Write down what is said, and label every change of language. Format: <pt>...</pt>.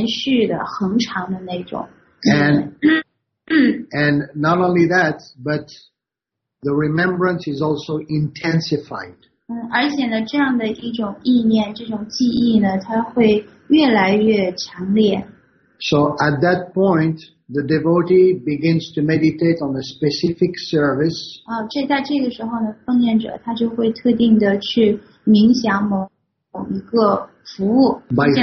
<zh>就是时有时无的了，而是长期的、延续的、恒长的那种。</zh> <en>And not only that, but the remembrance is also intensified.</en> <zh>而且呢，这样的一种意念、这种记忆呢，它会越来越强烈。</zh> <en>So at that point, the devotee begins to meditate on a specific service.</en> <zh>在这个时候呢，奉献者他就会特定的去冥想某一个服务。</zh> <en>By</en>